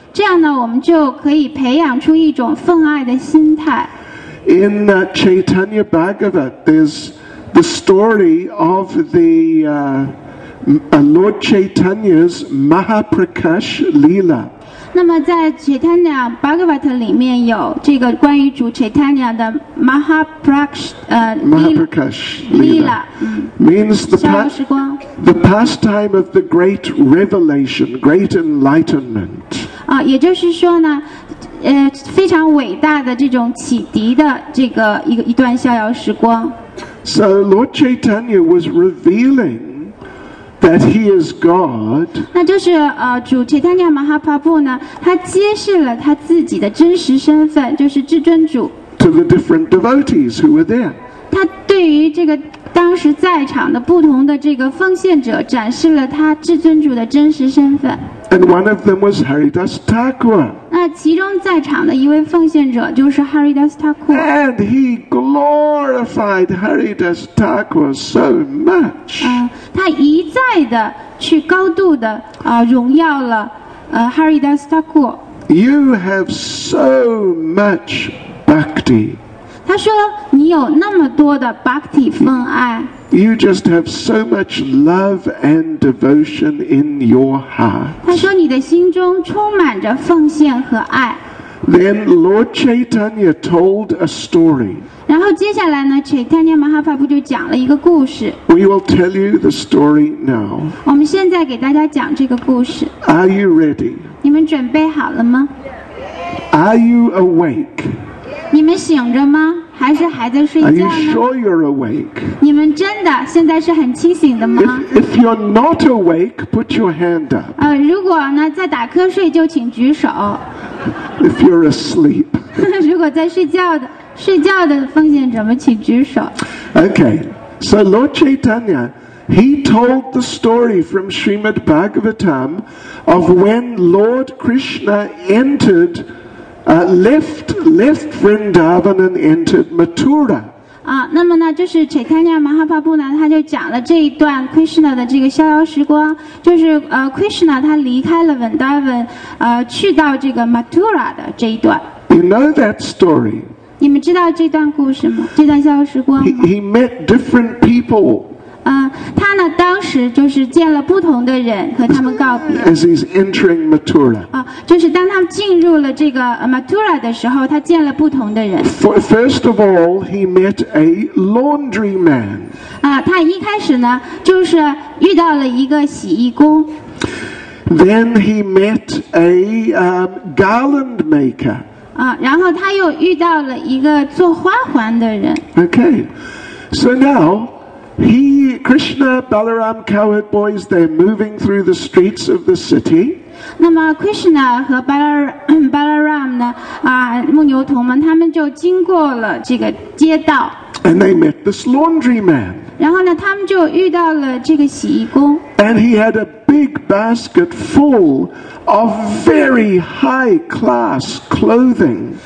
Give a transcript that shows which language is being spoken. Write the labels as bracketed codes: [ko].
[zh] 这样呢，我们就可以培养出一种奉爱的心态。 [en] In Chaitanya Bhagavat, there's the story of the Lord Chaitanya's Mahaprakash Lila. [zh] 那么在 Chaitanya Bhagavat 里面有这个关于主 Chaitanya 的 [en] Mahaprakash Lila. Means the pastime of the great revelation, great enlightenment. [zh] 啊，也就是说呢。非常伟大的这种启迪的这个一段逍遥时光。 [en] So Lord Chaitanya was revealing that he is God. [zh] 那就是主 Chaitanya Mahaprabhu 呢，他揭示了他自己的真实身份，就是至尊主。 [en] To the different devotees who were there. [zh] 他对于这个当时在场的不同的这个奉献者，展示了他至尊主的真实身份。 [en] And one of them was Haridas Thakur. [zh] 那其中在场的一位奉献者就是 Haridas Thakur. [en] And he glorified Haridas Thakur so much. [zh] 他一再的去高度的荣耀了Haridas Thakur. [en] You have so much bhakti. [zh] 他说你有那么多的 bhakti 奉爱。 [en] You just have so much love and devotion in your heart. [zh] 他说你的心中充满着奉献和爱。 [en] Then Lord Chaitanya told a story. [zh] 然后接下来呢 ，Chaitanya Mahaprabhu 就讲了一个故事。 [en] We will tell you the story now. [zh] 我们现在给大家讲这个故事。 [en] Are you ready? [zh] 你们准备好了吗 [en] ？Are you awake? [zh] 你们醒着吗？还是还在睡觉呢 [en] ？Are you sure you're awake? [zh] 你们真的现在是很清醒的吗 [en] ？If you're not awake, put your hand up. [zh] 如果呢在打瞌睡就请举手。 [en] If you're asleep. [zh] 如果在睡觉的奉献者们请举手。 [en] Okay, so Lord Chaitanya, he told the story from Srimad Bhagavatam of when Lord Krishna entered. Left Vrindavan and entered Mathura. [zh] 那么呢，就是 Chaitanya Mahaprabhu 呢，他就讲了这一段 Krishna 的这个逍遥时光，就是Krishna 他离开了 Vrindavan， 去到这个 Mathura 的这一段。 [en] You know that story? [zh] 你们知道这段故事吗？这段逍遥时光吗 [en] ？He met different people. [zh] 他呢，当时就是见了不同的人，和他们告别。 [en] As he's entering Mathura. [zh] 就是当他进入了这个 Mathura 的时候，他见了不同的人。 [en] First of all, he met a laundry man. [zh] 他一开始呢，就是遇到了一个洗衣工。 [en] Then he met a garland maker. [zh] 然后他又遇到了一个做花环的人。 [en] Okay, so now he, Krishna, Balaram, cowherd boys, they're moving through the streets of the city. [zh] 那么 Krishna 和 Balaram 呢？牧牛童们，他们就经过了这个街道。 [en] And they met this laundry man. [zh] 然后呢，他们就遇到了这个洗衣工。 [en] And he had a big basket full of very high class clothing.